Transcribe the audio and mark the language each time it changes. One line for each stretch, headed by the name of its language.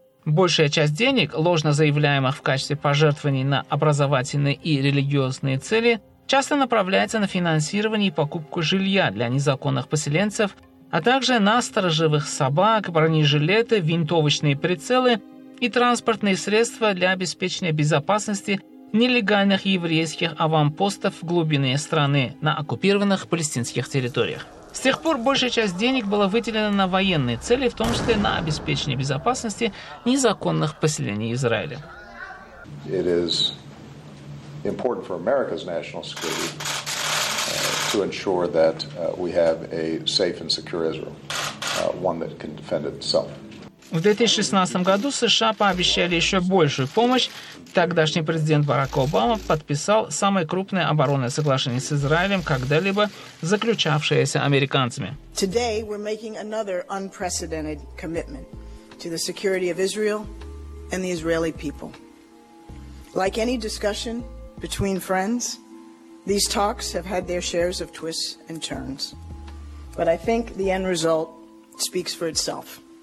Russian: Большая часть денег, ложно заявляемых в качестве пожертвований на образовательные и религиозные цели, часто направляется на финансирование и покупку жилья для незаконных поселенцев, а также на сторожевых собак, бронежилеты, винтовочные прицелы и транспортные средства для обеспечения безопасности нелегальных еврейских аванпостов в глубине страны на оккупированных палестинских территориях. С тех пор большая часть денег была выделена на военные цели, в том числе на обеспечение безопасности незаконных поселений Израиля.
English: Important for America's national security to ensure that we have a safe and secure Israel, one that can defend itself.
Russian: В 2016 году США пообещали еще большую помощь. Тогдашний президент Барак Обама подписал самое крупное оборонное соглашение с Израилем, когда-либо заключавшееся американцами.
English: Today we're making another unprecedented commitment to the security of Israel and the Israeli people. Like any discussion between friends, these talks have had their shares of twists and turns. But I think the end result speaks for itself.